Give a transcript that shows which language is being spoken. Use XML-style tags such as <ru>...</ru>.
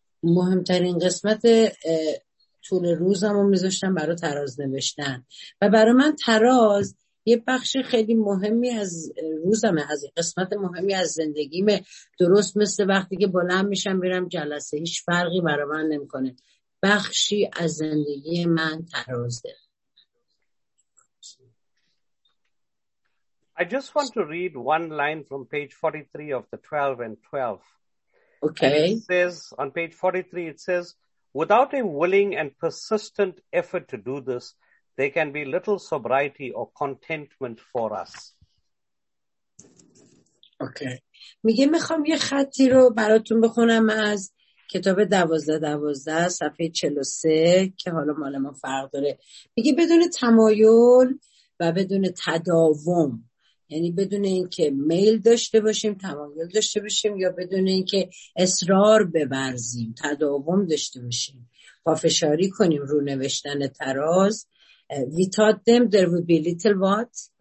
<fa>مهمترین قسمت طول روزم رو میذاشتم برای تراز نوشتن، و برای من تراز یه بخش خیلی مهمی از روزمه، از قسمت مهمی از زندگیمه. درست مثل وقتی که بلند میشم میرم جلسه، هیچ فرقی برای من نمیکنه، بخشی از زندگی من ترازه.</fa> <en>I just want to read one line from page 43 of the 12 and 12. Okay. And it says, on page 43 it says, without a willing and persistent effort to do this, there can be little sobriety or contentment for us. Okay.</en> <fa>میگه میخوام یه خطی رو براتون بخونم از کتاب 12-12 صفحه 43 که حالا مال ما فرق داره. میگه بدون تمایل و بدون تداوم، یعنی بدون اینکه میل داشته باشیم، تمایل داشته باشیم، یا بدون اینکه اصرار ببرزیم، تداوم داشته باشیم، پافشاری کنیم رو نوشتن تراز،</fa> <en>we taught them there would be little what?</en>